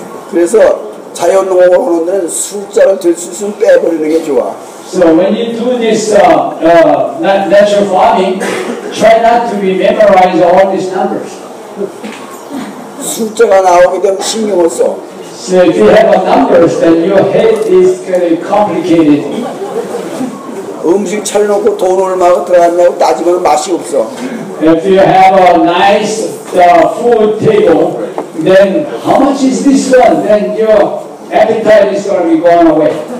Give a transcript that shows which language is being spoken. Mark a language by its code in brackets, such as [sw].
[ko] 그래서 자연 농업을 하는 데는 숫자를 될 수 있으면 빼버리는 게 좋아. [en] So when you do this natural farming, try not to memorize all these numbers. [ko] 숫자가 나오게 되면 신경을 써. [en] So if you have a numbers, then your head is kind of complicated. [ko] 음식 차려놓고 돈 얼마가 들어갔냐고 따지면 맛이 없어. [en] If you have a nice food table, then how much is this one? Then your appetite is going to be gone away.